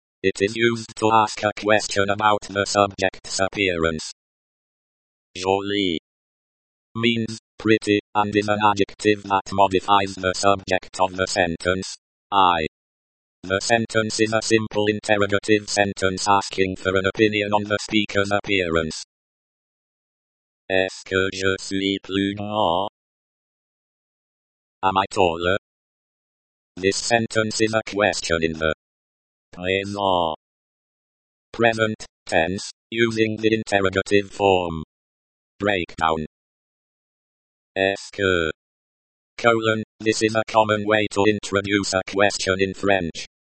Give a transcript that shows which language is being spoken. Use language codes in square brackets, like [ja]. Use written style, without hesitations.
[en] It is used to ask a question about the subject's appearance. Jolly. Means pretty and is an adjective that modifies the subject of the sentence, I. The sentence is a simple interrogative sentence asking for an opinion on the speaker's appearance. [fr] Est-ce que je suis plus grand? [en] Am I taller? This sentence is a question in the [fr] présent. [en] Present tense, using the interrogative form. Breakdown. [fr] Est-ce que [en] : this is a common way to introduce a question in French.